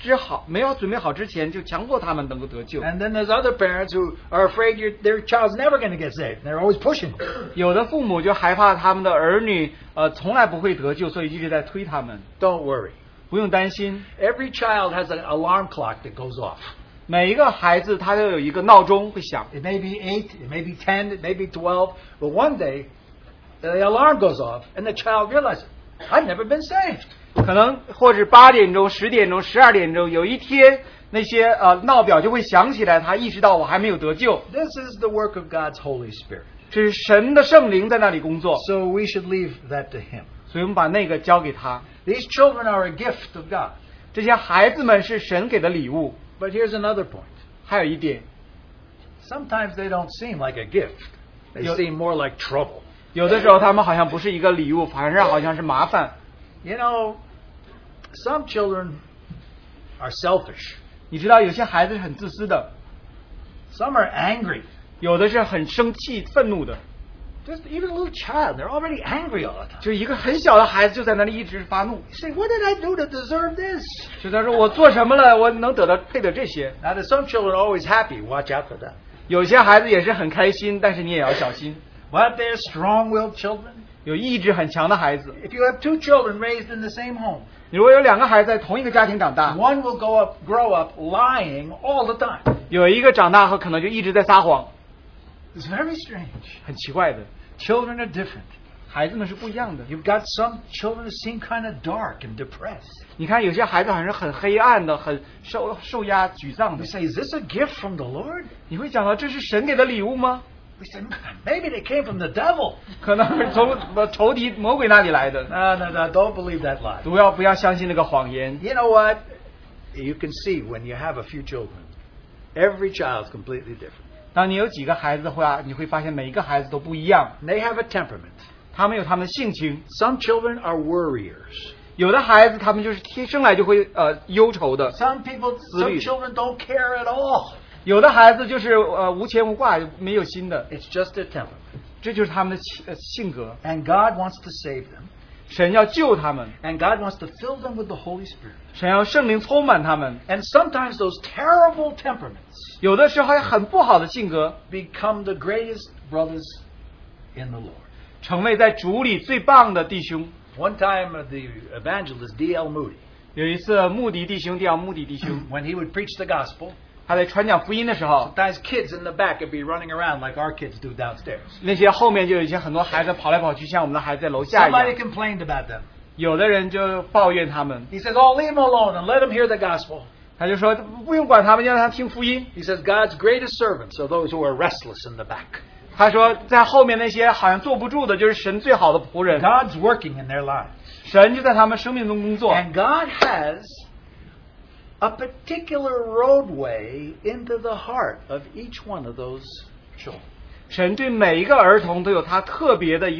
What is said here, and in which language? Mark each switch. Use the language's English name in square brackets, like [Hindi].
[Chinese] 这时候我好像觉得我们有些父母觉得在儿女没有准备好之前就强迫他们能够得救。 [English] And then there's other parents who are afraid their child's never going to get saved. They're always pushing. [Chinese] 有的父母就害怕他们的儿女从来不会得救，所以一直在推他们。 [English] Don't worry. [Chinese] 不用担心。 [English] Every child has an alarm clock that goes off. [Chinese] 每一个孩子他都有一个闹钟会响。 [English] It may be 8, it may be 10, it may be 12, but one day, the alarm goes off, and the child realizes, I've never been saved. [Chinese] 可能或者八点钟、十点钟、十二点钟，有一天那些闹表就会响起来，他意识到我还没有得救。 [English] This is the work of God's Holy Spirit. [Chinese] 这是神的圣灵在那里工作。 [English] So we should leave that to Him. [Chinese] 所以我们把那个交给他。 [English] These children are a gift of God. [Chinese] 这些孩子们是神给的礼物。 [English] But here's another point. [Chinese] 还有一点。 [English] Sometimes they don't seem like a gift. They seem more like trouble. [Chinese] 有的时候他们好像不是一个礼物，反而好像是麻烦。 [English] You know, some children are selfish. [Chinese] 你知道有些孩子很自私的。 [English] Some are angry. [Chinese] 有的是很生气、愤怒的。 [English] Just even a little child, they're already angry all the time. [Chinese] 就一个很小的孩子就在那里一直发怒。 [English] Say, what did I do to deserve this? [Chinese] 就他说我做什么了，我能得到配得这些。 [English] Now, there's some children always happy. Watch out for them. [Chinese] 有些孩子也是很开心，但是你也要小心。 [English] But they're strong-willed children. [Chinese] 有意志很强的孩子。 [English] If you have two children raised in the same home, [Chinese] 如果有两个孩子在同一个家庭长大, [English] one will grow up lying all the time. [Chinese] 有一个长大后可能就一直在撒谎。 [English] It's very strange. [Chinese] 很奇怪的。 [English] Children are different. [Chinese] 孩子们是不一样的。 [English] You've got some children that seem kind of dark and depressed. [Chinese] 你看有些孩子好像是很黑暗的，很受压、沮丧的。 [English] You say, is this a gift from the Lord? [Chinese] 你会讲到这是神给的礼物吗？ [English] We said, maybe they came from the devil. [Chinese] 可能是从仇敌魔鬼那里来的。 [English] No, don't believe that lie. [Chinese] 不要相信那个谎言。 [English] You know what? You can see when you have a few children, every child is completely different. [Chinese] 当你有几个孩子的话，你会发现每一个孩子都不一样。 [English] They have a temperament. [Chinese] 他们有他们的性情。 [English] Some children are worriers. [Chinese] 有的孩子他们就是天生来就会忧愁的。 [English] Some children don't care at all. [Chinese] 有的孩子就是无牵无挂，没有心的。 [English] It's just their temperament. [Chinese] 这就是他们的性格。 [English] And God wants to save them. [Chinese] 神要救他们。 [English] And God wants to fill them with the Holy Spirit. [Chinese] 神要圣灵充满他们。 [English] And sometimes those terrible temperaments, [Chinese] 有的时候还很不好的性格, [English] become the greatest brothers in the Lord. [Chinese] 成为在主里最棒的弟兄。 [English] One time the evangelist D.L. Moody, When he would preach the gospel, sometimes kids in the back would be running around like our kids do downstairs. Somebody complained about them. He says, "Oh, leave him alone and let him hear the gospel." [Chinese] 他就说,不用管他们, [English] he says, "God's greatest servants are those who are restless in the back." [Chinese] 他说,在后面那些好像坐不住的, [English] God's working in their lives. [Chinese] 神就在他们生命中工作, [English] and God has a particular roadway into the heart of each one of those children.